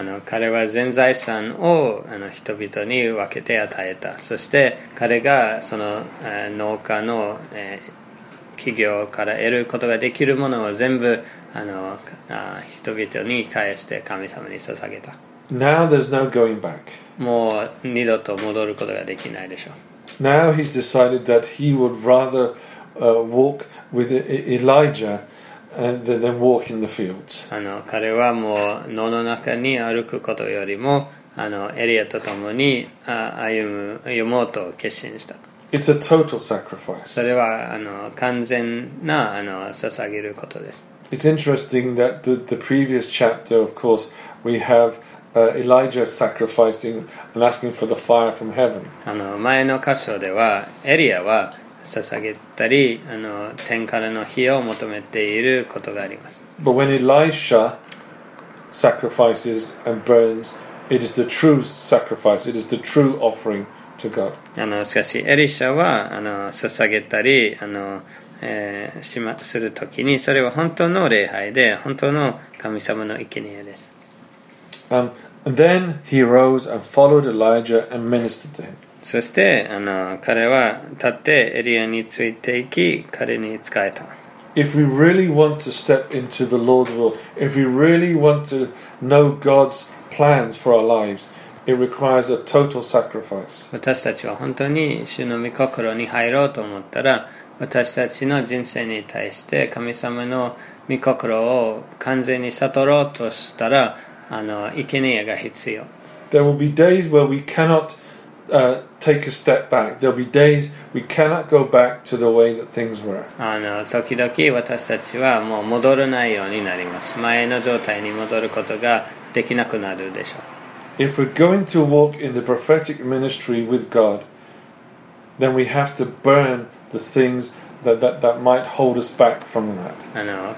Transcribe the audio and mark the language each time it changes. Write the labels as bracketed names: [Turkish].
[Japanese] 彼は全財産を人々に分けて与えた。そして彼がその農家の企業から得ることができるものを全部人々に返して神様に捧げた。 [English] Now there's no going back. [Japanese] もう二度と戻ることができないでしょう。 [English] Now he's decided that he would rather walk with Elijah than walk in the fields. [Japanese] 彼はもう野の中に歩くことよりもエリアと共に歩もうと決心した。 [English] It's a total sacrifice. [Japanese] それは完全な捧げることです。 [English] It's interesting that the previous chapter, of course, we have Elijah sacrificing and asking for the fire from heaven. [Japanese] 前の箇所ではエリアは捧げたり天からの火を求めていることがあります。 [English] But when Elisha sacrifices and burns, it is the true sacrifice, it is the true offering to God. [Japanese] しかしエリシャは捧げたりするときにそれは本当の礼拝で本当の神様の生贄です。 [English] And then he arose and followed Elijah and ministered to him. [Japanese] そして彼は立ってエリアについていき彼に仕えた。 [English] If we really want to step into the Lord's will, if we really want to know God's plans for our lives, it requires a total sacrifice. [Japanese] 私たちは本当に主の御心に入ろうと思ったら私たちの人生に対して神様の御心を完全に悟ろうとしたら生贄が必要。 [English] There will be days where we cannotTake a step back. There'll be days we cannot go back to the way that things were. [Japanese] 時々私たちはもう戻れないようになります。前の状態に戻ることができなくなるでしょう。 [English] If we're going to walk in the prophetic ministry with God, then we have to burn the things that might hold us back from that.